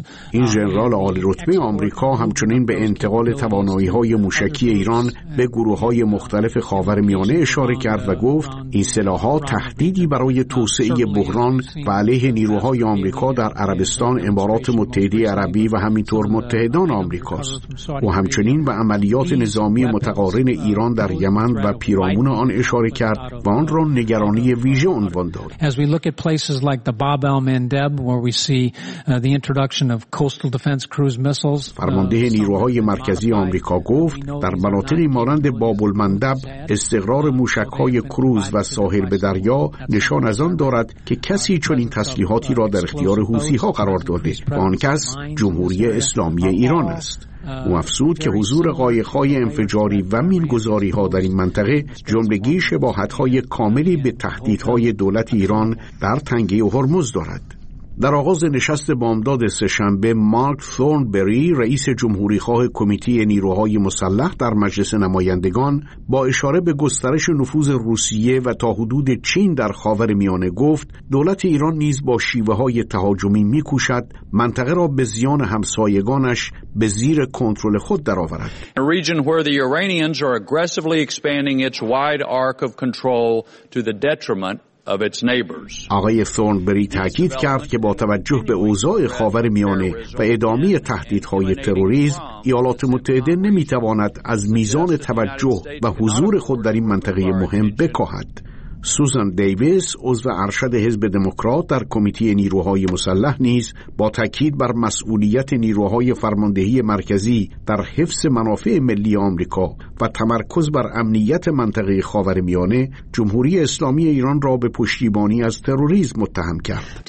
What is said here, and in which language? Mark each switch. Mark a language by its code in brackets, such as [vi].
[fa] این ژنرال عالی رتبه آمریکا همچنین به انتقال توانایی‌های موشکی ایران به گروه‌های مختلف خاورمیانه اشاره کرد و گفت این سلاح‌ها تهدیدی برای توسعه بحران و علیه نیروهای آمریکا در عربستان، امارات متحده عربی و همینطور متحدان آمریکاست. و همچنین به عملیات نظامی متقارن ایران در یمن و پیرامون آن اشاره کرد و آن را نگرانی ویژه عنوان [en] As we look at places like the Bab el-Mandeb where we see the introduction of coastal defense cruise missiles [fa] فرمانده نیروهای مرکزی آمریکا گفت در مناطقی مانند باب المندب استقرار موشک‌های کروز و ساحل به دریا نشان از آن دارد که کسی چنین تسلیحاتی را در اختیار حوثی‌ها قرار داده و آن کس جمهوری اسلامی ایران است و افزود که حضور قایق‌های انفجاری و مین‌گذاری‌ها در این منطقه جملگی شباهت‌های کاملی به تهدیدهای دولت ایران در تنگه هرمز دارد. در آغاز نشست بامداد سه‌شنبه مارک ثورنبری رئیس جمهوری‌خواه کمیته نیروهای مسلح در مجلس نمایندگان با اشاره به گسترش نفوذ روسیه و تا حدود چین در خاورمیانه گفت دولت ایران نیز با شیوه‌های تهاجمی می‌کوشد منطقه را به زیان همسایگانش به زیر کنترل خود درآورد. [en] A region where the Iranians are aggressively expanding its wide arc of control to the detriment [fa] آقای ثورنبری تأکید کرد که با توجه به اوضاع خاورمیانه و ادامه تهدیدهای تروریسم ایالات متحده نمیتواند از میزان توجه و حضور خود در این منطقه مهم بکاهد. سوزان دیویس عضو ارشد حزب دموکرات در کمیته نیروهای مسلح نیز با تأکید بر مسئولیت نیروهای فرماندهی مرکزی در حفظ منافع ملی آمریکا و تمرکز بر امنیت منطقه خاورمیانه جمهوری اسلامی ایران را به پشتیبانی از تروریسم متهم کرد.